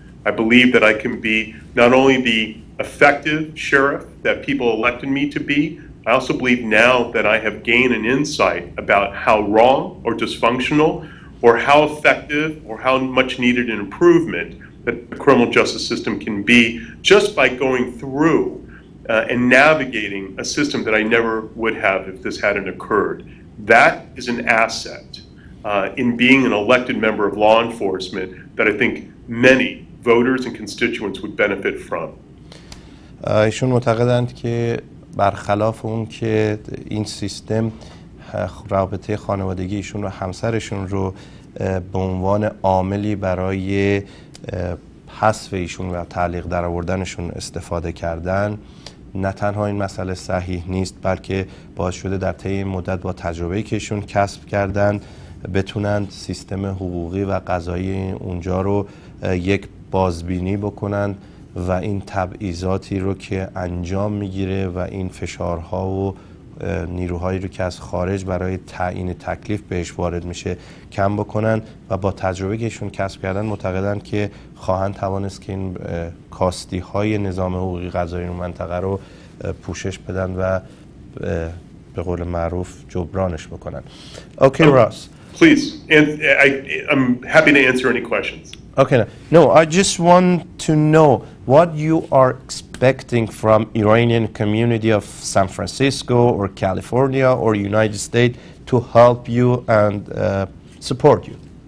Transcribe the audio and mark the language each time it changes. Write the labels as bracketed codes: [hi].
[en] I believe that I can be not only the effective sheriff that people elected me to be, I also believe now that I have gained an insight about how wrong or dysfunctional or how effective or how much needed an improvement that the criminal justice system can be just by going through and navigating a system that I never would have if this hadn't occurred. That is an asset in being an elected member of law enforcement that I think many voters and constituents would benefit from. [fa] ایشون معتقدند که برخلاف اون که این سیستم رابطه خانوادگی ایشون رو همسرشون رو به عنوان عاملی برای حذف ایشون و تعلیق در آوردنشون استفاده کردن، نه تنها این مسئله صحیح نیست، بلکه باعث شده در طی این مدت با تجربه‌ای که ایشون کسب کردن بتونند سیستم حقوقی و قضایی اونجا رو یک بازبینی بکنند و این تبعیضاتی رو که انجام میگیره و این فشارها و نیروهایی رو که از خارج برای تعیین تکلیف بهش وارد میشه کم بکنن، و با تجربه که ایشون کسب کردن معتقدن که خواهند توانست که این کاستی های نظام حقوقی قضایی اون منطقه رو پوشش بدن و به قول معروف جبرانش بکنن. [en] Okay, Ross. Please, I'm happy to answer any questions. Okay, no, I just want to know what you are expecting from Iranian community of San Francisco or California or United States to help you and support you.